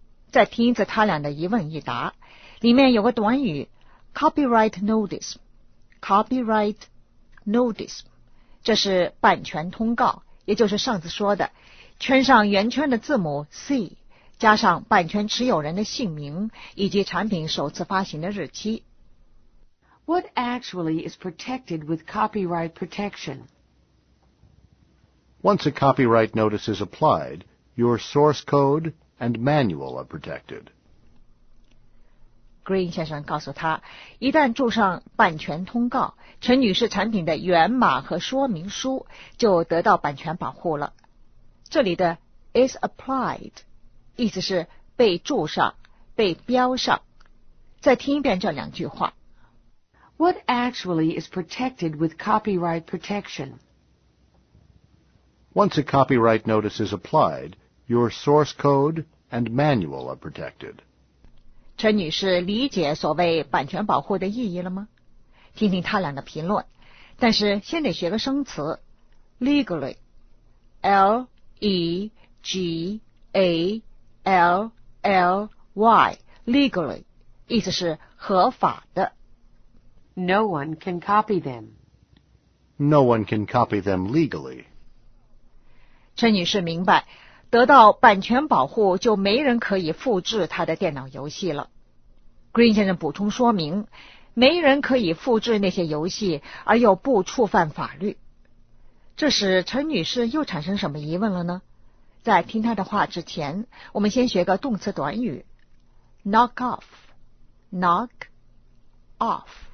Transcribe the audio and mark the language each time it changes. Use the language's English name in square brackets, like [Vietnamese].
[Chinese] 再听一次他俩的一问一答。里面有个短语 copyright notice. [English] Copyright notice. [Chinese] 这是版权通告，也就是上次说的，圈上圆圈的字母 C， 加上版权持有人的姓名以及产品首次发行的日期。 [English] What actually is protected with copyright protection? Once a copyright notice is applied, your source code and manual are protected. [Chinese] Green 先生告诉他，一旦注上版权通告。陈女士产品的源码和说明书就得到版权保护了。这里的 is applied 意思是被注上、被标上。再听一遍这两句话。 [English] What actually is protected with copyright protection? Once a copyright notice is applied, your source code and manual are protected. [Chinese] 陈女士理解所谓版权保护的意义了吗？听听他俩的评论，但是先得学个生词 ，legally， l e g a l l y， legally， 意思是合法的。 [English] No one can copy them. No one can copy them legally. [Chinese] 陈女士明白，得到版权保护就没人可以复制她的电脑游戏了。 Green 先生补充说明。没人可以复制那些游戏而又不触犯法律。这时陈女士又产生什么疑问了呢？在听她的话之前，我们先学个动词短语 ,knock off, knock off.